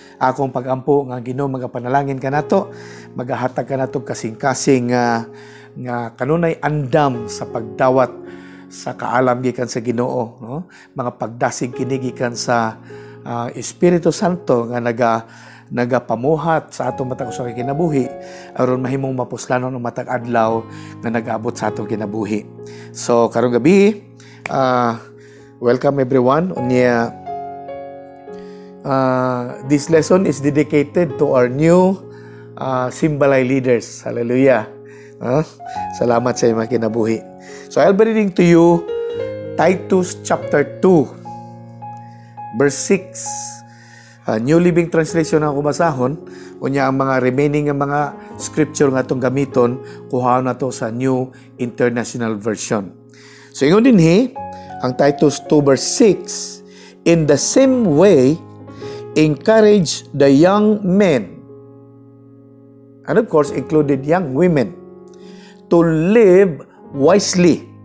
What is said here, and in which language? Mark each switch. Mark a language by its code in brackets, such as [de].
[ceb] Akong pag-ampo nga Ginoo magapanalangin ka nato, magahatag ka nato kasing-kasing nga kanunay andam sa pagdawat sa kaalam gikan sa Ginoo, no? Mga pagdasig kini gikan sa Espiritu Santo nga nagapamuhat sa atong matag sa kinabuhi aron mahimong mapuslanon ang matag adlaw na nag-abot sa atong kinabuhi. So karong gabi, [en] welcome everyone. Unya, this lesson is dedicated to our new Simbalay leaders. Hallelujah. [ceb] Salamat sa mga kinabuhi. [en] So I'll be reading to you Titus chapter 2 verse 6. [ceb] New Living Translation ang kumasahon. Unya, ang mga remaining ng mga scripture nga itong gamiton, kuhaon na ito sa New International Version. So ingon din he, ang [en] Titus 2 verse 6, in the same way, encourage the young men, and of course, included young women, to live wisely.